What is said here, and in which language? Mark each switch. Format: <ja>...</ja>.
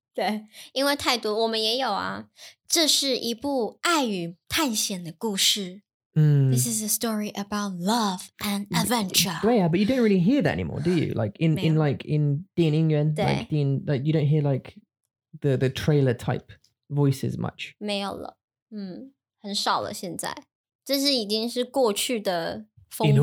<zh>对，因为太多，我们也有啊。这是一部爱与探险的故事。</zh> <en>This is a story about love and adventure. Yeah, but you don't really hear that anymore, do you? Like in 电影院, like you don't hear like the trailer type voices much.</en> <zh>没有了，很少了。现在这是已经是过去的风格。</zh>